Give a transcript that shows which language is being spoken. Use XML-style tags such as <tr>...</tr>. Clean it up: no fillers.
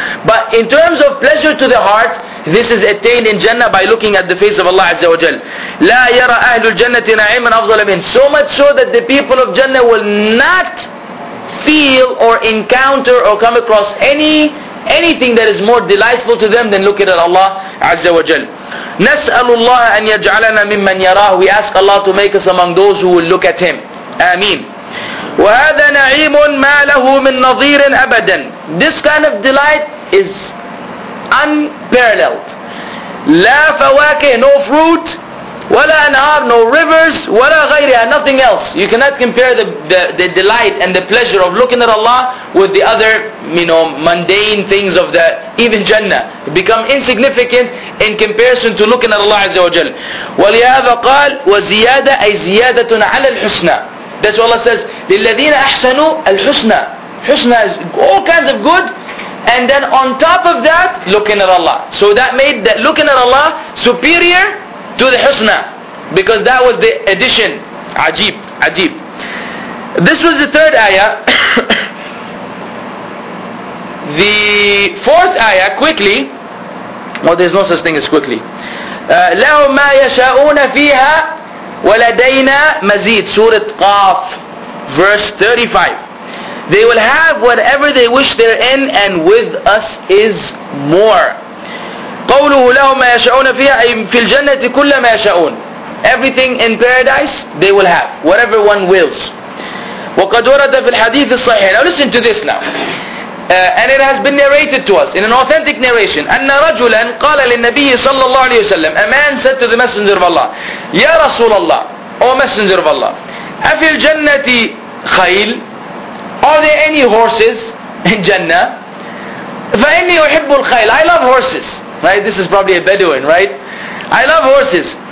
<en>But in terms of pleasure to the heart, this is attained in Jannah by looking at the face of Allah Azza wa Jal.</en> <ar>لَا يَرَى أَهْلُ الْجَنَّةِ نَعِيمًا أَفْضَلَ مِنْ</ar> <en>So much so that the people of Jannah will not feel or encounter or come across anything that is more delightful to them than looking at Allah Azza wa Jal.</en> <ar>نسأل الله أن يجعلنا ممن يراه.</ar> <en>We ask Allah to make us among those who will look at Him. Ameen.</en> <ar>وهذا نعيم ما له من نظير أبدا.</ar> <en>This kind of delight is unparalleled.</en> <ar>لا فواكه,</ar> <en>no fruit.</en> <ar>ولا أنهار,</ar> <en>no rivers.</en> <ar>ولا غيرها,</ar> <en>nothing else. You cannot compare the delight and the pleasure of looking at Allah with the other, you know, mundane things of the even Jannah. Become insignificant in comparison to looking at Allah Azza wa Jal.</en> <ar>ولهذا قال وزيادة أي زيادة على الحسنى.</ar> <en>That's what Allah says.</en> <ar>للذين أحسنوا الحسنى.</ar> <en>حسنى is all kinds of good. And then on top of that, looking at Allah. So that made that looking at Allah superior to the husna, because that was the addition. Ajib, ajib. This was the third ayah. The fourth ayah, quickly. Well, there's no such thing as quickly.</en> <ar>لَهُمْ مَا يَشَاءُونَ فِيهَا وَلَدَيْنَا مَزِيدٌ</ar> <en>Surah Qaf, verse 35. They will have whatever they wish therein, and with us is more.</en> <ar>قوله لهم ما يشاءون فيها أي في الجنة كل ما يشاءون.</ar> <en>Everything in paradise they will have, whatever one wills.</en> <ar>وقد ورد في الحديث الصحيح.</ar> <en>Now listen to this now. And it has been narrated to us in an authentic narration.</en> <ar>أن رجلا قال للنبي صلى الله عليه وسلم.</ar> <en>A man said to the Messenger of Allah,</en> <ar>يا رسول الله,</ar> <en>O Messenger of Allah,</en> <ar>أفي الجنة خيل,</ar> <en>are there any horses in Jannah?</en> <ar>فإني أحب الخيل,</ar> <en>I love horses. Right, this is probably a Bedouin, right? I love horses.</en>